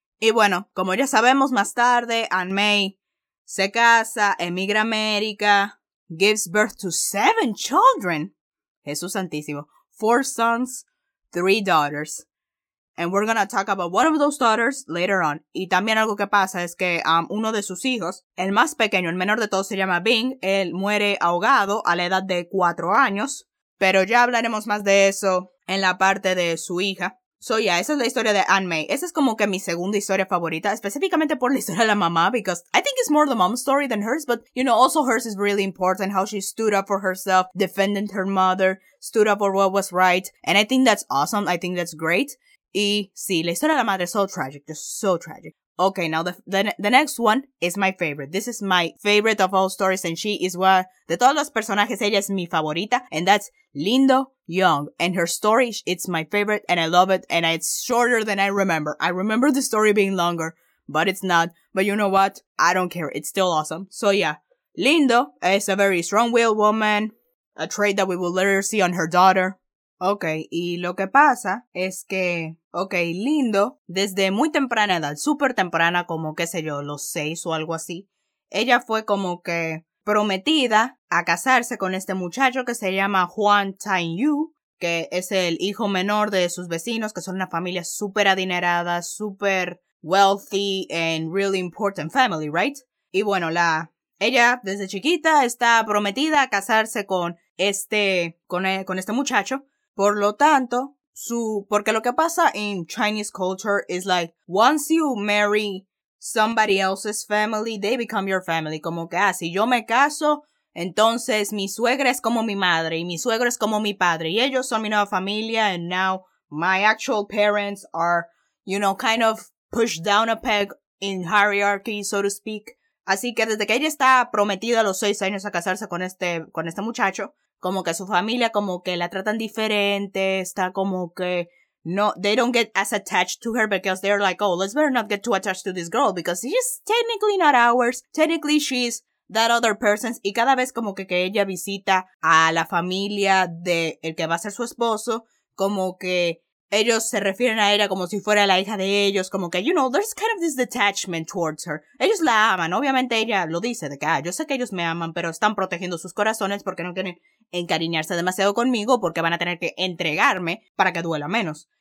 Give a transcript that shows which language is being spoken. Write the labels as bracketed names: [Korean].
[Spanish] Y bueno, como ya sabemos, más tarde Anne May se casa, emigra a América, [English] gives birth to 7 children. [Spanish] Jesús Santísimo. [English] 4 sons, 3 daughters. And we're gonna talk about one of those daughters later on. [Spanish] Y también algo que pasa es que uno de sus hijos, el más pequeño, el menor de todos, se llama Bing. Él muere ahogado a la edad de 4 años. Pero ya hablaremos más de eso en la parte de su hija. [English] So yeah, [Spanish] esa es la historia de Anne May. Esa es como que mi segunda historia favorita, específicamente por la historia de la mamá, [English] because I think it's more the mom's story than hers, but you know, also hers is really important, how she stood up for herself, defending her mother, stood up for what was right, and I think that's awesome, I think that's great. [Spanish] Y sí, la historia de la madre, [English] so tragic, just so tragic. Okay, now the next one is my favorite. This is my favorite of all stories, and she is one [Spanish] de todos los personajes, ella es mi favorita, [English] and that's Lindo Young. And her story, it's my favorite, and I love it, and it's shorter than I remember. I remember the story being longer, but it's not. But you know what? I don't care. It's still awesome. So yeah, Linda is a very strong-willed woman, a trait that we will later see on her daughter. [Spanish] Okay, y lo que pasa es que, okay, Linda, desde muy temprana edad, súper temprana, como qué sé yo, los 6 o algo así, ella fue como que prometida a casarse con este muchacho que se llama Juan Tianyu, que es el hijo menor de sus vecinos, que son una familia súper adinerada, súper [English] wealthy and really important family, right? [Spanish] Y bueno, ella desde chiquita está prometida a casarse con este muchacho. Por lo tanto, porque lo que pasa en [English] Chinese culture is like, once you marry somebody else's family, they become your family. [Spanish] Como que, si yo me caso, entonces mi suegra es como mi madre, y mi suegro es como mi padre, y ellos son mi nueva familia, [English] and now my actual parents are, you know, kind of pushed down a peg in hierarchy, so to speak. [Spanish] Así que desde que ella está prometida a los 6 años a casarse con este muchacho, como que su familia como que la tratan diferente, está como que no, [English] they don't get as attached to her because they're like, oh, let's better not get too attached to this girl because she's technically not ours. Technically, she's that other person's. [Spanish] Y cada vez como que ella visita a la familia de el que va a ser su esposo, como que ellos se refieren a ella como si fuera la hija de ellos, como que, [English] you know, there's kind of this detachment towards her. [Spanish] Ellos la aman, obviamente ella lo dice, de que, yo sé que ellos me aman, pero están protegiendo sus corazones porque no quieren encariñarse demasiado conmigo porque van a tener que entregarme para que duela menos.